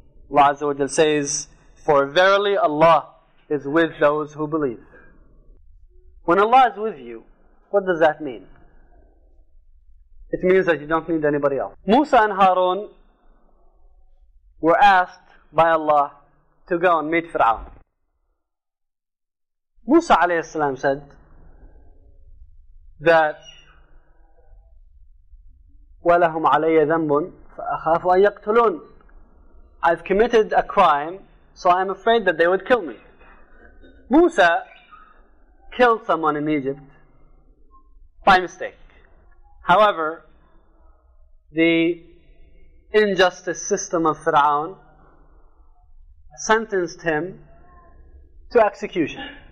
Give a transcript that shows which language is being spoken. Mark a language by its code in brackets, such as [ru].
[en] Allah Azza wa Jal says, for verily Allah is with those who believe. When Allah is with you, what does that mean? It means that you don't need anybody else. Musa and Harun were asked by Allah to go and meet Fir'aun. [ar] Musa alayhi salam said that وَلَهُمْ عَلَيَّ ذَنْبٌ فَأَخَافُ أَنْ يَقْتُلُونَ. [en] I've committed a crime, so I'm afraid that they would kill me. Musa killed someone in Egypt by mistake. However, the injustice system of Fir'aun sentenced him to execution.